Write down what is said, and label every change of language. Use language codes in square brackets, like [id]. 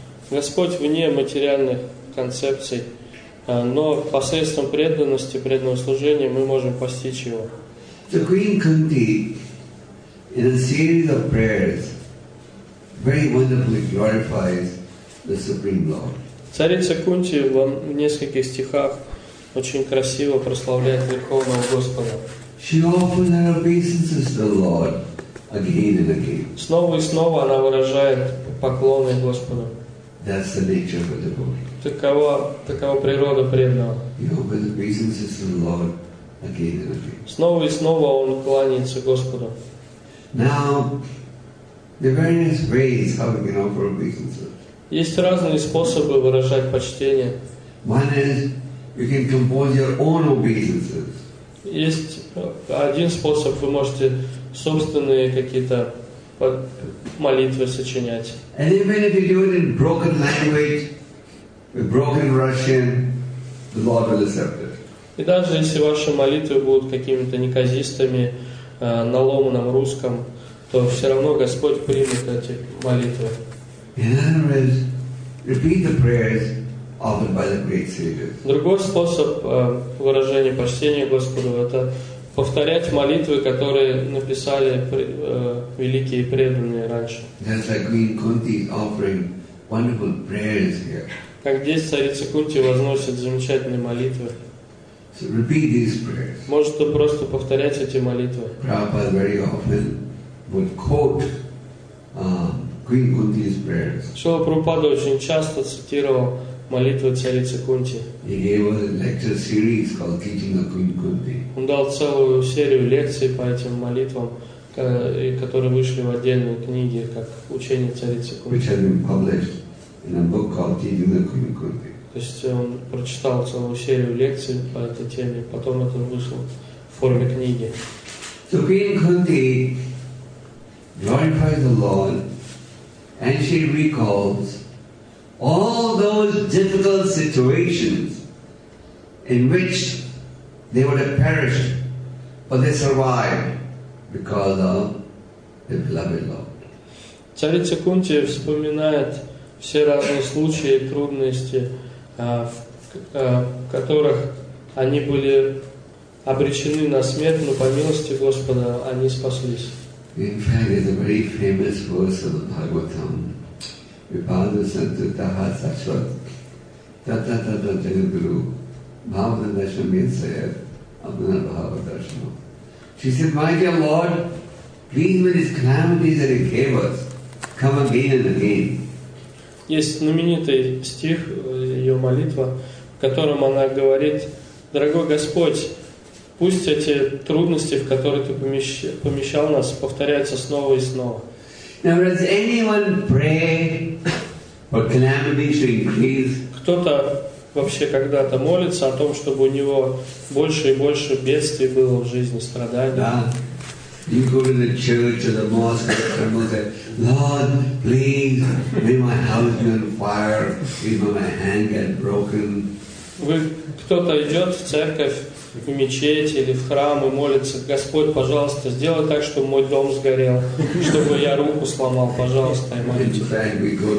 [ru] Господь вне материальных концепций, но посредством преданности, преданного служения мы можем постичь Его. [en] So Queen Kunti, in a series of prayers, very wonderfully glorifies the Supreme Lord. [ru] Царица Кунти в нескольких стихах очень красиво прославляет Верховного Господа. [en] She offers her obeisances to the Lord again and again. [ru] Снова и снова она выражает поклоны Господу. [en] That's the nature of a devotee. [ru] Такова природа преданного. [en] He offers obeisances to the Lord again and again. [ru] Снова и снова он кланяется Господу. [en] Now, the various ways how we can offer obeisances. [ru] Есть разные способы выражать почтение. [en] One is you can compose your own obeisances. [ru] Есть один способ, вы можете собственные какие-то молитвы сочинять. [en] And even if you do it in broken language, with broken Russian, the Lord will accept it. [ru] И даже если ваши молитвы будут какими-то неказистыми, наломанным русском, то все равно Господь примет эти молитвы. [en] In other words, repeat the prayers offered by the great sages. [ru] Другой способ выражения почтения Господу – это повторять молитвы, которые написали великие преданные раньше. [en] That's like Queen Kunti offering wonderful prayers here. [ru] Как здесь царица Кунти возносит замечательные молитвы. [en] So repeat these prayers. [ru] Можете просто повторять эти молитвы. [en] Prabhupada very often would quote Queen Kunti's prayers. [ru] Шрила Прабхупада очень часто цитировал молитвы царицы Кунти. [en] He gave a lecture series called Teaching of Queen Kunti. [ru] Он дал целую серию лекций по этим молитвам, которые вышли в отдельной книге, как учение царицы Кунти. [en] Which had been published in a book called Teaching of Queen Kunti. [ru] То есть он прочитал целую серию лекций по этой теме, потом это вышло в форме книги. [en] So Queen Kunti glorifies the Lord, and she recalls all those difficult situations in which they would have perished, but they survived because of the beloved Lord. [ru] Царица Кунти вспоминает все разные случаи и трудности, в которых они были обречены на смерть, но по милости Господа они спаслись. [en] In fact, there's a very famous verse of the Bhagavatam. [sa] Vipadu santu taha sashvat tata tata jagadguru bhavadarshan means sayad abhanabhavadarshan. [en] She said, "My dear Lord, please, with these calamities that He gave us, come again and again." [ru] Есть знаменитый стих ее молитва, в котором она говорит: «Дорогой Господь, пусть эти трудности, в которые Ты помещал нас, повторяются снова и снова». [en] Now, does anyone pray for calamities to increase? [ru] Кто-то вообще когда-то молится о том, чтобы у него больше и больше бедствий было в жизни, страданий? [en] You go to the church or the mosque or the temple and say, "Lord, please, may my house be on fire, even my hand get broken." [ru] Вы кто-то идет в церковь, в мечеть или в храм и молится: «Господь, пожалуйста, сделай так, чтобы мой дом сгорел, чтобы я руку сломал, пожалуйста, и